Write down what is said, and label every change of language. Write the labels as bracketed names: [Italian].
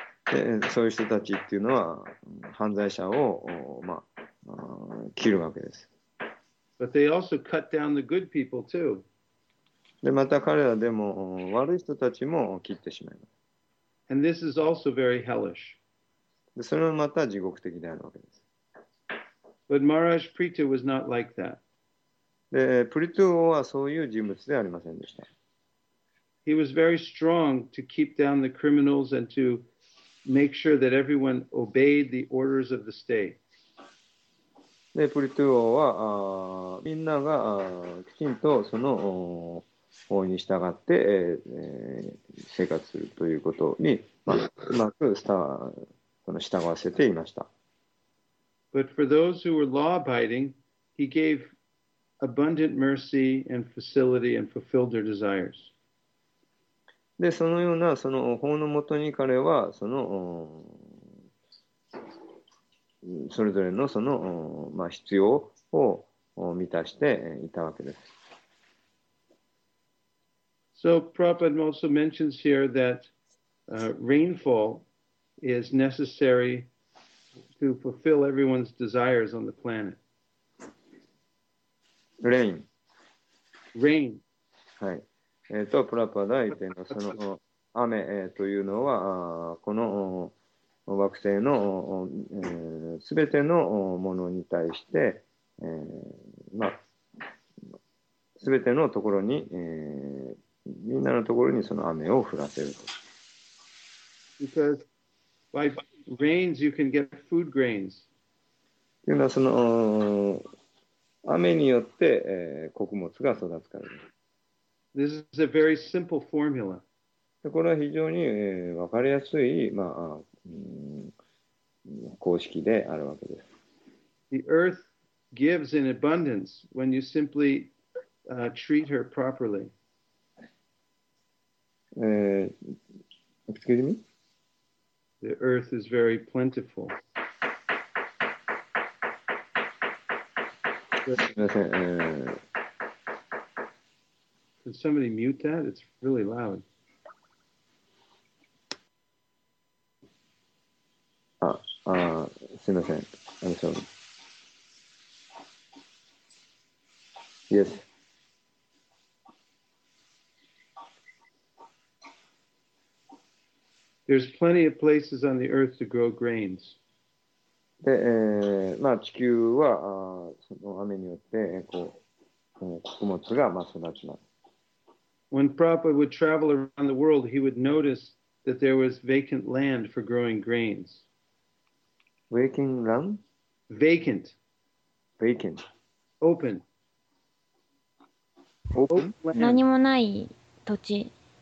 [Japanese] でそういう人たちっていうのは犯罪者を、まあ、切るわけです。 [English] But they also cut down the good people too. [Japanese] で、また彼らでも悪い人たちも切ってしまいます。 [English] And this is also very hellish. [Japanese] で、それもまた地獄的であるわけです。 [English] But Maharaj Prithu was not like that. [Japanese] で、プリトゥ王はそういう人物ではありませんでした。 [English] He was very strong to keep down the criminals and to make sure that everyone obeyed the orders of the state. [Japanese] で、プリトゥ王は、みんながきちんとその法に従って、生活するということに、まあ、うまく従わせていました。 [English] But for those who were law-abiding, he gave abundant mercy and facility and fulfilled their desires. [Japanese] で、そのような、その法のもとに彼は、その、それぞれのその、まあ、必要を満たしていたわけです。 [English] So, Prabhupada also mentions here that、rainfall is necessary to fulfill everyone's desires on the planet. Rain. Rain. [Japanese] はい。プラパダイというのはその雨というのはこの惑星のすべてのものに対してまあすべてのところにみんなのところにその雨を降らせると。 [English] Because by rains you can get food grains. [Japanese] というのはその雨によって穀物が育つからです。 [English] This is a very simple formula. [Japanese] これは非常に、分かりやすい、まあ、公式であるわけです。 [English] The earth gives in abundance when you simply treat her properly. Excuse me? The earth is very plentiful. Can somebody mute that? It's really loud. I'm sorry. Yes. There's plenty of places on the earth to grow grains. [Japanese] で、まあ地球はその雨によってこう穀物がまあ育ちます。 [English] When Prabhupada would travel around the world, he would notice that there was vacant land for growing grains. Vacant land? Vacant. Vacant. Open. Open? [Japanese] 何もない土地。